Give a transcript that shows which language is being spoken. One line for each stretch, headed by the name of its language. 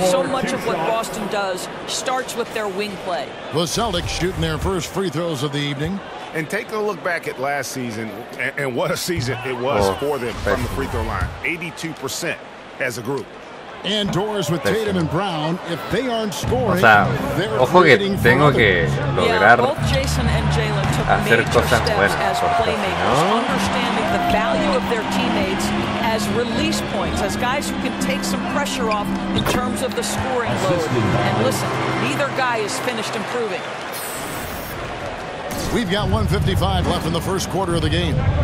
English: So much of what Boston does starts with their wing play. The Celtics shooting their first free throws of the evening. And take a look back at last season, and what a season it was for them from the free throw line. 82% as a group. And doors with Tatum and Brown, if they aren't scoring,
Spanish: o sea, ojo que tengo que lograr hacer cosas buenas,
English: understanding the value of their teammates as release points, as guys who can take some pressure off in terms of the scoring load. And listen, neither guy is finished improving. We've got 1:55 left in the first quarter of the game.